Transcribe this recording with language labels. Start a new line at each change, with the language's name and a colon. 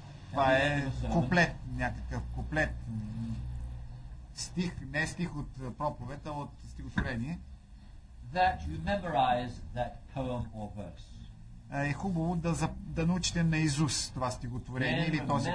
Bulgarian: това е куплет, някакъв куплет. Стих, не стих от проповед, а от стихотворение.
English: That you memorize that poem or verse.
Bulgarian: Е хубаво да, да научите на Исус това стихотворение или този